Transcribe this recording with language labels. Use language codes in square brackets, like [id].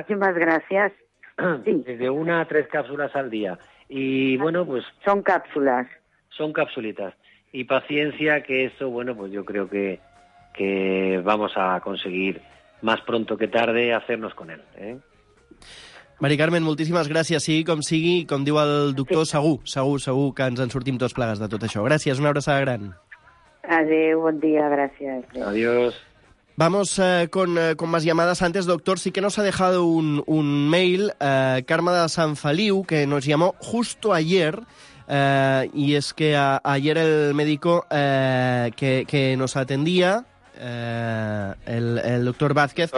[es] Muchísimas gracias. Sí. Desde una a tres cápsulas al día. Y bueno, pues... Son cápsulas. Son capsulitas. Y paciencia, que eso, bueno, pues yo creo que vamos a conseguir más pronto que tarde hacernos con él, ¿eh? [ca] Mari Carmen, moltíssimes gràcies. Sigui com sigui, com diu el doctor, segur que ens en sortim tots plegats de tot això. Gràcies, una abraçada gran. Adéu, bon dia, gràcies. [es] Adiós. Vamos con más llamadas antes, doctor. Sí que nos ha dejado un mail, Carme de Sant Feliu, que nos llamó justo ayer. Y es que ayer el médico que nos atendía, el doctor Vázquez...